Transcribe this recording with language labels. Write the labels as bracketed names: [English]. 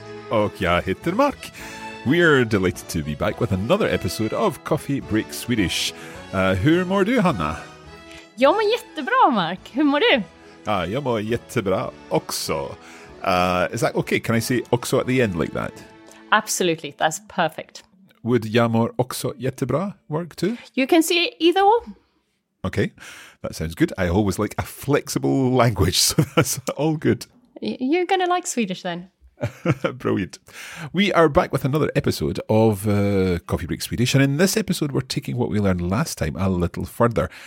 [Swedish] Och jag heter Mark. [English] We are delighted to be back with another episode of Coffee Break Swedish. [Swedish] Hur mår du, Hanna? Jag mår jättebra, Mark. Hur mår du? Jag mår jättebra också. [English] Is that okay? Can I say också at the end like that? Absolutely. That's perfect. Would [Swedish] jag mår också jättebra [English] work too? You can say either or. Okay. That sounds good. I always like a flexible language, so that's all good. You're going to like Swedish then. Brilliant. We are back with another episode of Coffee Break Swedish. And in this episode, we're taking what we learned last time a little further.